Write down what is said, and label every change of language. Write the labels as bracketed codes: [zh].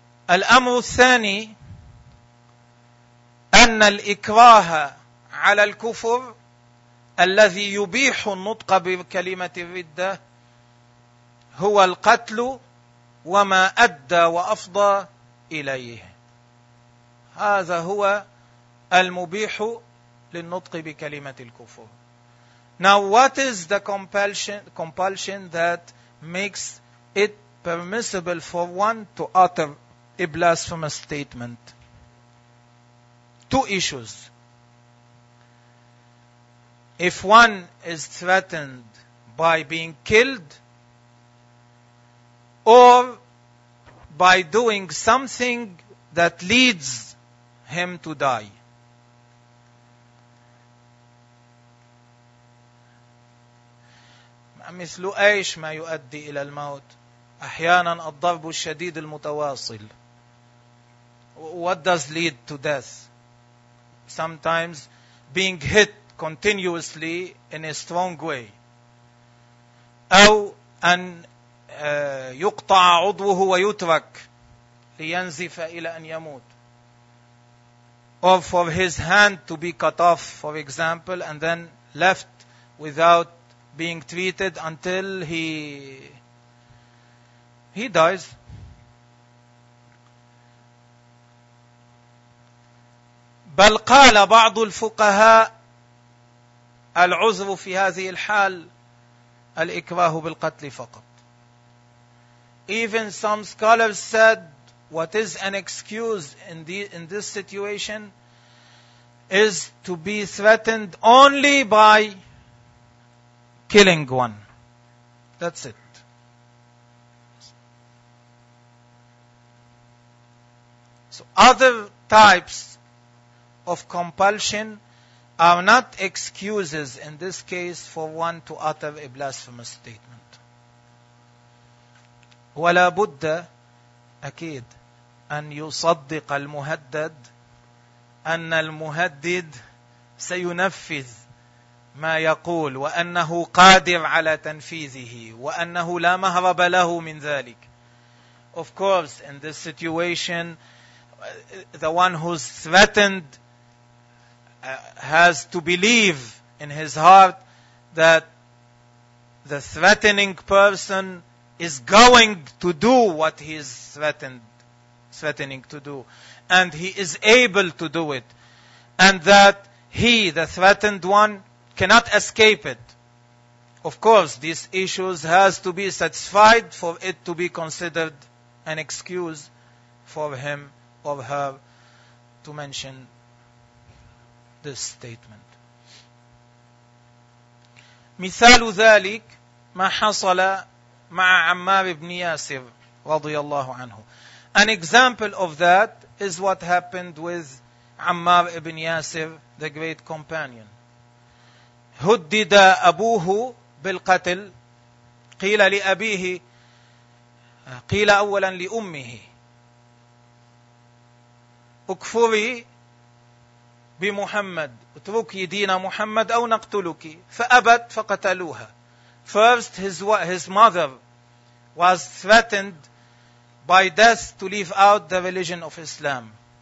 [ar] الأمر الثاني أن الإكراه على الكفر الذي يبيح النطق بكلمة الردة هو القتل وما أدى وأفضى إليه. هذا هو المبيح للنطق بكلمة الكفر. [en] Now what is the compulsion that makes it permissible for one to utter a blasphemous statement? Two issues. If one is threatened by being killed or by doing something that leads him to die. [ar] مثل أيش ما يؤدي إلى الموت؟ أحيانا الضرب الشديد المتواصل. [en] What does lead to death? Sometimes being hit continuously in a strong way. [ar] أو أن يقطع عضوه ويترك لينزف إلى أن يموت. [en] Or for his hand to be cut off, for example, and then left without being treated until he dies. [ar] بل قال بعض الفقهاء العذر في هذه الحال الإكراه بالقتل فقط. [en] Even some scholars said what is an excuse in this situation is to be threatened only by killing one. That's it. So other types of compulsion are not excuses in this case for one to utter a blasphemous statement. [ar] ولا بد أكيد أن يصدق المهدد أن المهدد سينفذ ما يقول وأنه قادر على تنفيذه وأنه لا مهرب له من ذلك. [en] Of course, in this situation, the one who's threatened has to believe in his heart that the threatening person is going to do what he is threatening to do, and he is able to do it, and that he, the threatened one, cannot escape it. Of course, these issues has to be satisfied for it to be considered an excuse for him or her to mention this statement. [ar] مثال ذلك ما حصل مع عمار بن ياسر رضي الله عنه. [en] An example of that is what happened with Ammar ibn Yasir, the great companion. [ar] هدد أبوه بالقتل قيل لأبيه قيل أولا لأمه اكفري بمحمد اتركي دين محمد أو نقتلك فأبت فقتلوها. [en] First his mother was threatened by death to leave out the religion of Islam.